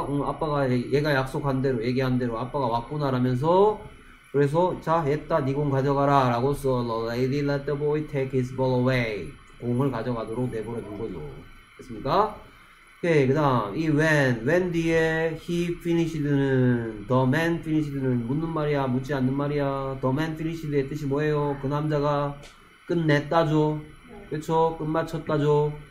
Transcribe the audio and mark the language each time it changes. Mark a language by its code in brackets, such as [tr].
[ko] 어, 아빠가 얘가 약속한 대로 얘기한 대로 아빠가 왔구나라면서. 그래서 자, 했다 네 공 가져가라라고 써. [en] The lady let the boy take his ball away. [ko] 공을 가져가도록 내버려 둔 거죠. 됐습니까? 오케이. 그다음 이 when 뒤에 he finished는 the man finished는 묻는 말이야, 묻지 않는 말이야. The man finished의 뜻이 뭐예요? 그 남자가 끝냈다죠. 그렇죠? 끝마쳤다죠.